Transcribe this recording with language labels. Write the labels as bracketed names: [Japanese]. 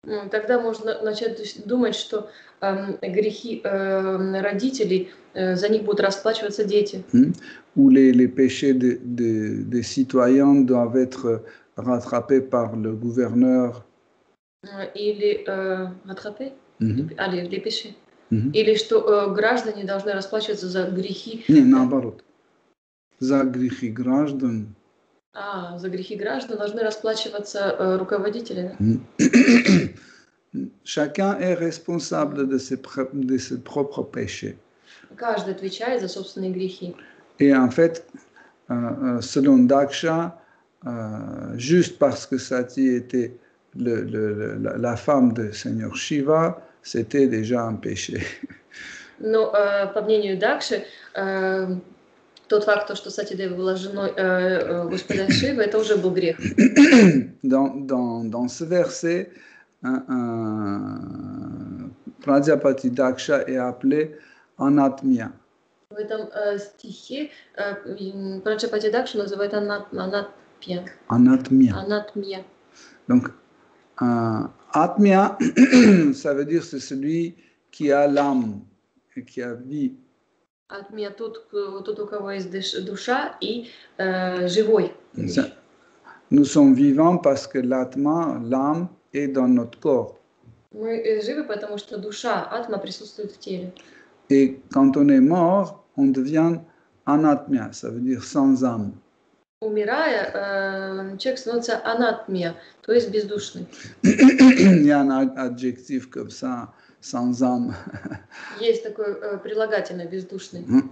[Russian] Тогда можно начать думать, что грехи родителей, за них будут расплачиваться дети. [French] Ou les péchés des citoyens doivent être rattrapés par le gouverneur. [Russian] Или [French] рattraper? [Russian] Или [French] les péchés? [Russian] Или что граждане должны расплачиваться за грехи? Не, наоборот. За грехи граждан. А, за грехи граждан должны расплачиваться руководители. [French] Chacun est responsable de ses propres péchés. [Russian] Каждый отвечает за собственные грехи. [French] Et en fait, selon Daksha, juste parce que Sati était la femme de Seigneur Shiva, c'était déjà un péché. [Russian] Но по мнению Дакши, тот факт, то, что Сати Дева была женой господа Шивы, это уже был грех. [French] Dans ce verset, Pradyapati Daksha est appelé Anatmya. [Russian] В этом стихе Pradyapati Daksha называет Anatmya. [Sanskrit] Anatmya. Anatmya. [French] Donc, Atmya, ça veut dire c'est celui qui a l'âme et qui a vie. Atmya, tout au cœur est [Russian] душа [French] et [Russian] живой. [French] Nous sommes vivants parce que l'atma, l'âme, est dans notre corps. [Russian] Мы живы, потому что душа, атма, присутствует в теле. [French] Et quand on est mort, on devient anatmya, ça veut dire sans âme. [Russian] Умирая, человек становится анатмия, то есть бездушный. [French] Il y a un adjectif comme ça, sans âme. [Russian] Есть такое прилагательное, бездушный.